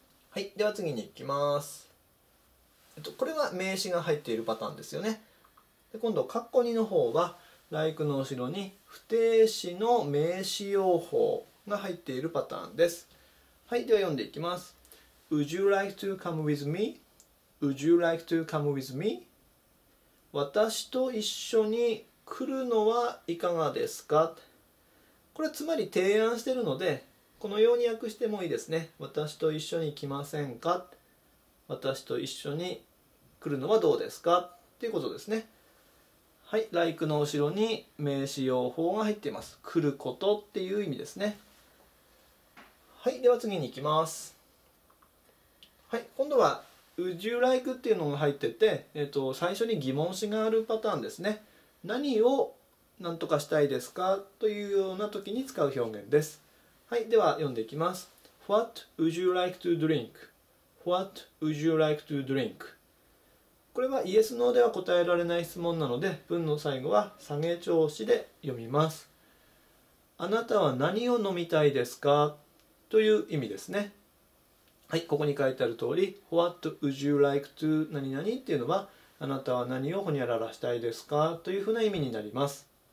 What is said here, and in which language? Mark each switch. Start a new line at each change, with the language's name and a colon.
Japanese: はい、では次に行きます。これは名詞が入っているパターンですよね。で今度カッコ2の方は like の後ろに不定詞の名詞用法が入っているパターンです。はい、では読んでいきます。
English: Would you like to come with me? Would you like to come with me?
Japanese: 私と一緒に来るのはいかがですか。これつまり提案しているので、このように訳してもいいですね。私と一緒に来ませんか、私と一緒に来るのはどうですかっていうことですね。はい、 like の後ろに名詞用法が入っています。来ることっていう意味ですね。はい、では次に行きます。はい、今度は Would you like っていうのが入ってて、最初に疑問詞があるパターンですね。何を何とかしたいですかというような時に使う表現です。はい、では読んでいきます。
English: What would you like to drink? What would you like to drink?
Japanese: これは Yes, No では答えられない質問なので、文の最後は下げ調子で読みます。あなたは何を飲みたいですかという意味ですね。はい、ここに書いてある通り
English: What would you like to
Japanese: 何々っていうのは、あなたは何をほにゃららしたいですかというふうな意味になります。